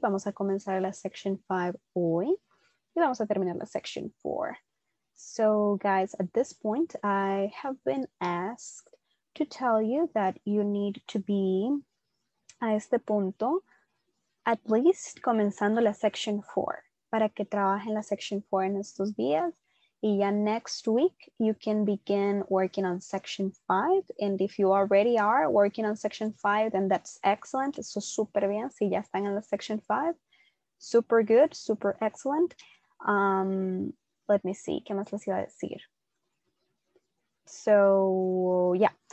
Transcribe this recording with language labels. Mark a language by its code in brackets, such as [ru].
[es] Vamos a comenzar la section 5 hoy. Y vamos a terminar la section 4. [en] So, guys, at this point, I have been asked to tell you that you need to be, [es] a este punto, [en] at least [es] comenzando [en] la section 4. [es] Para que trabajen la section 4 en estos días. Y ya [en] next week, you can begin working on section 5. And if you already are working on section 5, then that's excellent. [es] Eso es super bien. Si ya están en la section 5, [en] super good, super excellent. Let me see. [es] ¿Qué más les iba a decir? [en] So, yeah.